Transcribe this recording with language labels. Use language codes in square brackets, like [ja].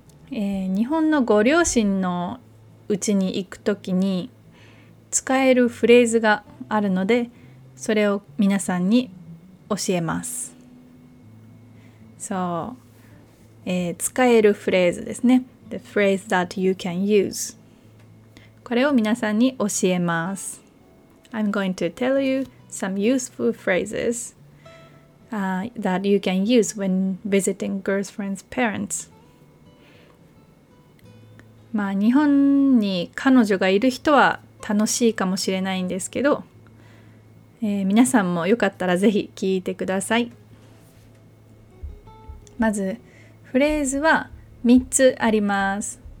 [ja] 日本のご両親の家に行くときに使えるフレーズがあるので、それを皆さんに教えます。 So, 使えるフレーズですね。 [en] The phrase that you can use. [ja] これを皆さんに教えます。 [en] I'm going to tell you some useful phrases, that you can use when visiting girlfriend's parents. [ja] まあ、日本に彼女がいる人は楽しいかもしれないんですけど、皆さんもよかったらぜひ聞いてください。まずフレーズは3つあります。